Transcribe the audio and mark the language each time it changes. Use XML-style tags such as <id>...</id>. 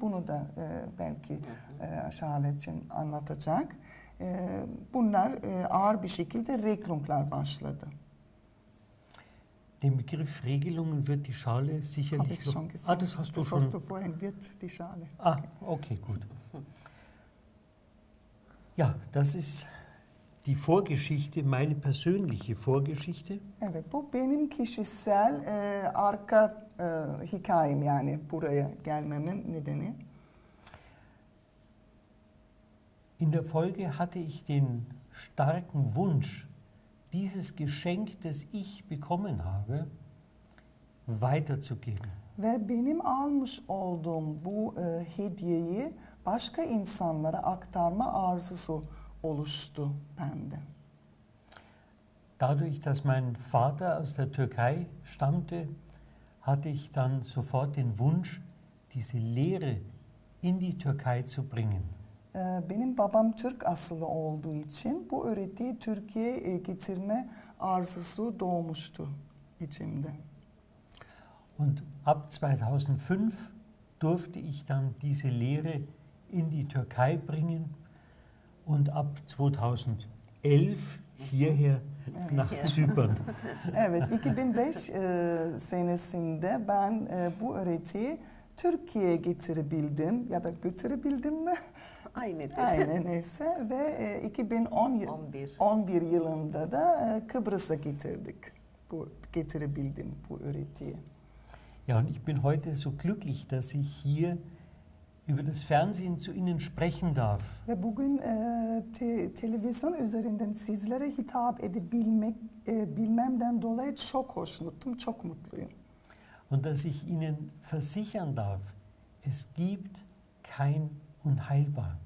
<tr>Bunu da belki Şahalet'cim anlatacak. Bunlar ağır bir şekilde Regelunglar başladı.</tr> <de>Den Begriff Regelungen wird die Schale sicherlich... Habe ich schon gesehen. Ah, das hast du das schon. Das hast du vorhin, wird die Schale. Ah, okay, gut. Ja, das ist die Vorgeschichte, meine persönliche Vorgeschichte.</de> <tr>Evet, bu benim kişisel arka hikayem yani buraya gelmemin nedeni.</tr> <de>In der Folge hatte ich den starken Wunsch, dieses Geschenk, das ich bekommen habe, weiterzugeben.</de> <tr>Ve benim almış olduğum bu hediyeyi başka insanlara aktarma arzusu oluştu bende.</tr> <de>Dadurch, dass mein Vater aus der Türkei stammte, hatte ich dann sofort den Wunsch, diese Lehre in die Türkei zu bringen.</de> <tr>Benim babam Türk asıllı olduğu için bu öğretiyi Türkiye'ye getirme arzusu doğmuştu içimde.</tr> <de>Und ab 2005 durfte ich dann diese Lehre in die Türkei bringen und ab 2011 hierher nach Zypern.</de> <tr>Evet, 2005 senesinde ben bu öğretiyi Türkiye'ye getirebildim ya da götürebildim mi? Aynı neyse ve 2011 yılında da Kıbrıs'a getirdik. Bu getirebildim bu öğretiyi.</tr> <de>Ja, und ich bin heute so glücklich, dass ich hier über das Fernsehen zu Ihnen sprechen darf.</de> <tr>Ve bugün televizyon üzerinden sizlere hitap edebilmek bilmemden dolayı çok hoşnutum, çok mutluyum.</tr> <de>Und dass ich Ihnen versichern darf, es gibt kein unheilbar.</de>